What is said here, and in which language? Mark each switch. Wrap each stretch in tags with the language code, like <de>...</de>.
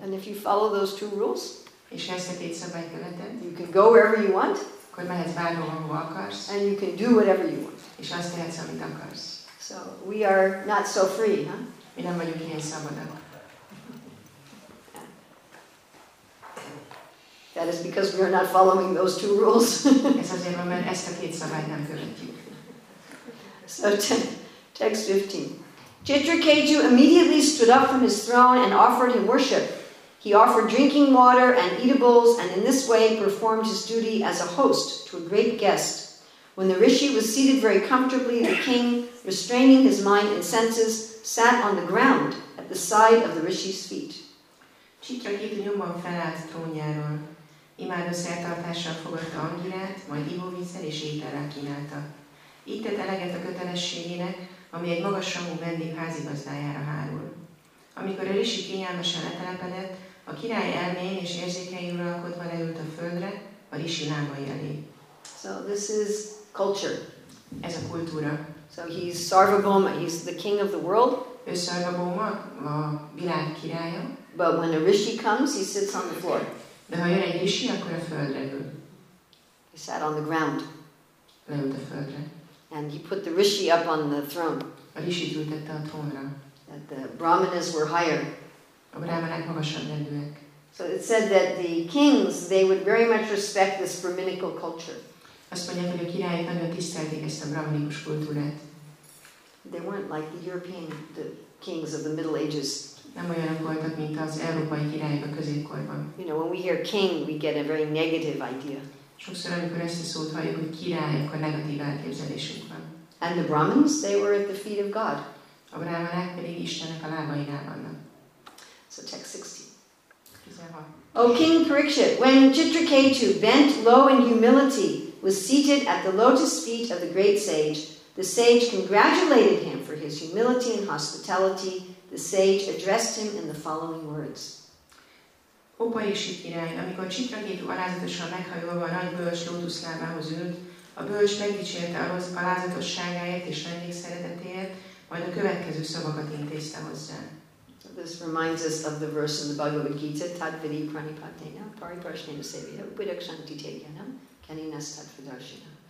<en>And if you follow those 2 rules,</en> <hu>és ezt a 2 szabályt követed.</hu> <en>You can go wherever you want.</en> <hu>akkor mehetsz bárhova, ahova akarsz.</hu> <en>And you can do whatever you want.</en> <hu>És azt tehetsz, amit akarsz.</hu> <en>So we are not so free, huh?</en> <hu>Mi nem vagyunk ilyen szabadak.</hu> <en>That is because we are not following those two rules.</en> <hu>Ez azért van, mert ezt a két szabályt nem követjük.</hu> <en>So text 15. Chitrakeju immediately stood up from his throne and offered him worship. He offered drinking water and eatables, and in this way performed his duty as a host to a great guest. When the rishi was seated very comfortably, the king, restraining his mind and senses, sat on the ground at the side of the rishi's feet.</en> <hu>Chitrakeju nyomban felállt trónjáról. Imádó szertartással fogadta angyirát, majd ivóvízzel és étellel kínálta. Így tett eleget a kötelességének, ami egy magasrangú vendég házigazdájára hárul. Amikor a rishi kényelmesen letelepedett, a király elmén és érzékei uralkodva leült a földre, a rishi lábai elé.</hu> <en>So this is culture.</en> <hu>Ez a kultúra.</hu> <en>So he's Sarvabhauma, he's the king of the world.</en> <hu>Ő Sarvabhauma, a világ királya.</hu> <en>But when a rishi comes, he sits on the floor.</en> <hu>De ha jön egy rishi, akkor a földre ül.</hu> <en>He sat on the ground.</en> <hu>Leült a földre.</hu> <en>And he put the rishi up on the throne.</en> <hu>A rishit ültette a trónra.</hu> <en>That the brahmanas were higher.</en> <hu>A brahmanák magasabb rendűek.</hu> <en>So it said that the kings, they would very much respect this brahminical culture.</en> <hu>Azt mondják, hogy a királyok nagyon tisztelték ezt a brahminikus kultúrát.</hu> <en>They weren't like the European, the kings of the Middle Ages.</en> <hu>Nem olyanok voltak, mint az európai királyok a középkorban.</hu> <en>You know, when we hear king, we get a very negative idea.</en> <hu>Sokszor, amikor ezt a szót halljuk, hogy király, akkor negatív elképzelésünk van.</hu> <en>And the Brahmins, they were at the feet of God.</en> <hu>A brahmanák pedig Istennek a lábainál vannak.</hu> <en>So text 16. O King Parikshit, when Chitrakeju bent low in humility, was seated at the lotus feet of the great sage, the sage congratulated him for his humility and hospitality. The sage addressed him in the following words.</en> <hu>O Parikshit király, amikor Chitrakeju alázatosan meghajolva a nagy bölcs lótuszlábához ült, a bölcs megdicsérte az alázatosságáért és vendégszeretetéért, majd a következő szavakat intézte hozzá.</hu> <en>So this reminds us of the verse in the Bhagavad Gita,</en> <sa>Tadvidi Pranipatena, Pariparshnena Sevya, Vidakshanti Tegyanam, Kaninas Tadvidarshinam.</sa>